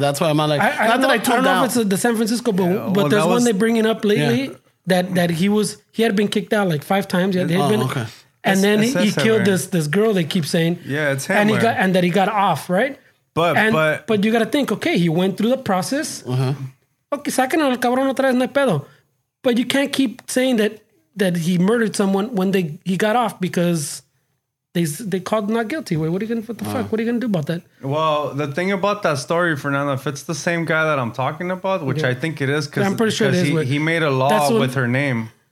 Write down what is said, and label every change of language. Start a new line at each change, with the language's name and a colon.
English: That's why I'm like, I don't know if it's the San Francisco, but, yeah, well, but there's one they're bringing up lately that he had been kicked out like 5 times. And then he killed this girl, they keep saying. Yeah, it's him. And that he got off, right? But you got to think, okay, he went through the process. Uh-huh.
Spanish: Okay, saquen al cabrón otra vez, no hay pedo.
English: But you can't keep saying that he murdered someone when he got off because they called him not guilty. Wait, what are you going to do about that? Well, the thing about that story, Fernando, if it's the same guy that I'm talking about, which I think it is, because he made a law with her name.